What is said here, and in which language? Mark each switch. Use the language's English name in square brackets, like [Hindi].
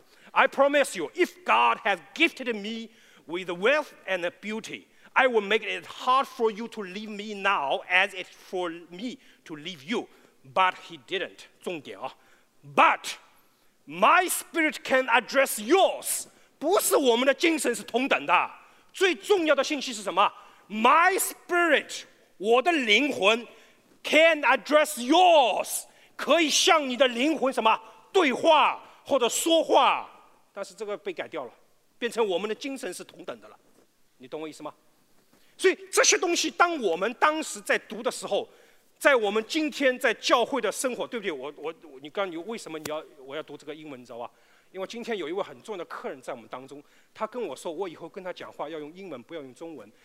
[English] I promise you, if God has gifted me with wealth and beauty, I will make it hard for you to leave me now as it's for me to leave you. But he didn't. [Chinese] 重点啊。 [English] But my spirit can address yours. [Chinese] 不是我们的精神是同等的。最重要的信息是什么？ [English] My spirit, [Chinese] 我的灵魂 [English] can address yours. [Chinese] 可以向你的灵魂什么？对话。或者说话，但是这个被改掉了，变成我们的精神是同等的了，你懂我意思吗？所以这些东西，当我们当时在读的时候，在我们今天在教会的生活，对不对？我要读这个英文，你知道吧？因为今天有一位很重要的客人在我们当中，他跟我说，我以后跟他讲话要用英文，不要用中文。